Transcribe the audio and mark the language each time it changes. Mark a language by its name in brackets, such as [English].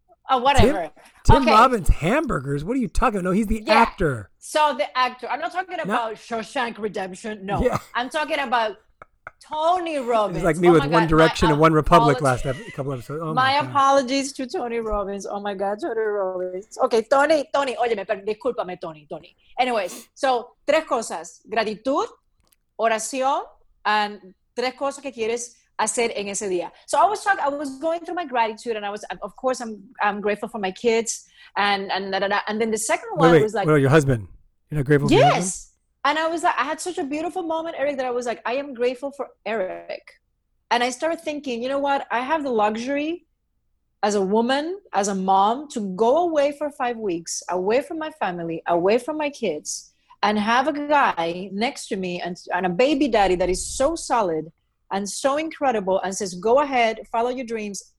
[English] Oh, whatever. Tim Robbins hamburgers? What are you talking about? No, he's the actor. So, the actor. I'm not talking about Shawshank Redemption. No. Yeah. I'm talking about Tony Robbins. It's like me with One Direction and One Republic last couple episodes. Oh my apologies to Tony Robbins. Oh my God, Tony Robbins. Okay, Tony. [Spanish] Óyeme, pero discúlpame, Tony. [English] Anyways, so [Spanish] tres cosas. Gratitud, oración, [English] and [Spanish] tres cosas que quieres hacer en ese día. [English] So I was going through my gratitude, and I was, of course, I'm grateful for my kids. And then the second one was like... Wait, your husband? You're not grateful for your husband? Yes. And I was like, I had such a beautiful moment, Eric, that I was like, I am grateful for Eric. And I started thinking, you know what? I have the luxury as a woman, as a mom, to go away for 5 weeks, away from my family, away from my kids, and have a guy next to me and a baby daddy that is so solid and so incredible and says, go ahead, follow your dreams.